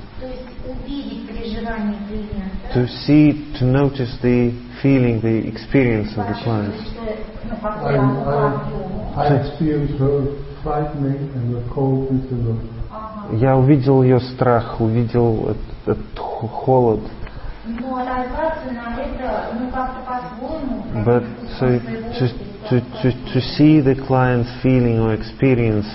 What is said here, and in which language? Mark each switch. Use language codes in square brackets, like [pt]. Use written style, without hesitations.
[ru] То есть увидеть переживание клиента. [en] To see, to notice the feeling, the experience of the client. [ru] Я увидел ее страх, увидел этот холод. Но отозваться на это, ну, как-то по-своему. [en] But so to see the client's feeling or experience,